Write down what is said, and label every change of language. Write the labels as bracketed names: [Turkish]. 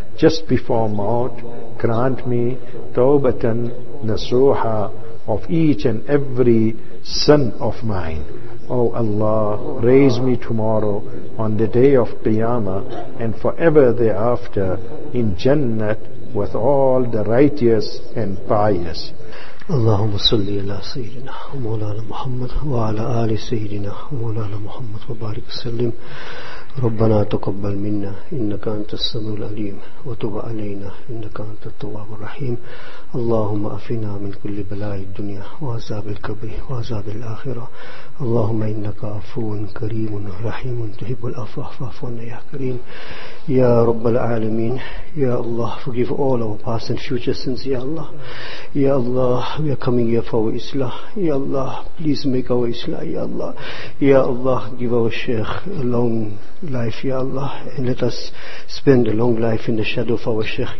[English] Just before maut, grant me tawbatan nasuha of each and every sin of mine. O Allah, raise me tomorrow on the day of Qiyamah and forever thereafter in Jannat with all the righteous and pious. [Arabic] اللهم صل على سيدنا مولانا محمد وعلى آل سيدنا مولانا محمد وبارك وسلم. ربنا تقبل منا إنك أنت السميع العليم، وتب علينا إنك أنت التواب الرحيم. اللهم أفنا من كل بلاء الدنيا وعذاب القبر وعذاب الآخرة. اللهم إنك عفو كريم رحيم تحب العفو فاعف عنا يا كريم يا رب العالمين. [English] يا الله، forgive all our past and future sins. يا الله، يا الله، we are coming here for our islah. Ya Allah, please make our islah. Ya Allah, Ya Allah, give our Shaykh a long life. Ya Allah, and let us spend a long life in the shadow of our Shaykh.